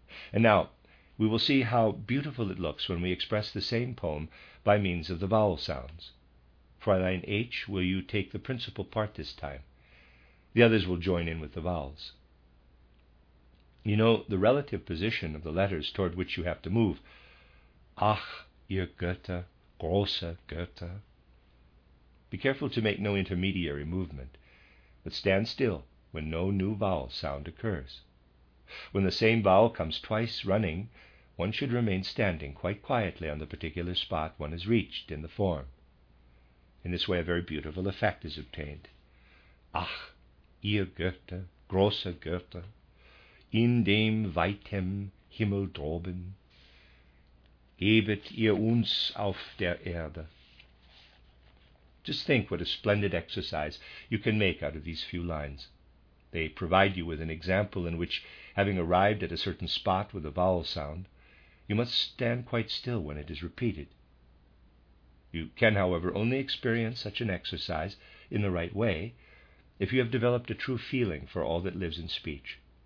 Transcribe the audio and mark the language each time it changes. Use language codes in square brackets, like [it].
[en] And now, we will see how beautiful it looks when we express the same poem by means of the vowel sounds. Fräulein H., will you take the principal part this time? The others will join in with the vowels. You know the relative position of the letters toward which you have to move. Ach, [de] Ihr Götter, große Götter. [en] Be careful to make no intermediary movement, but stand still when no new vowel sound occurs. When the same vowel comes twice running, one should remain standing quite quietly on the particular spot one has reached in the form. In this way, a very beautiful effect is obtained. [de] Ach, ihr Götter, große Götter, in dem weitem Himmel droben, gebet ihr uns auf der Erde. [en] Just think what a splendid exercise you can make out of these few lines. They provide you with an example in which, having arrived at a certain spot with a vowel sound, you must stand quite still when it is repeated. You can, however, only experience such an exercise in the right way if you have developed a true feeling for all that lives in speech.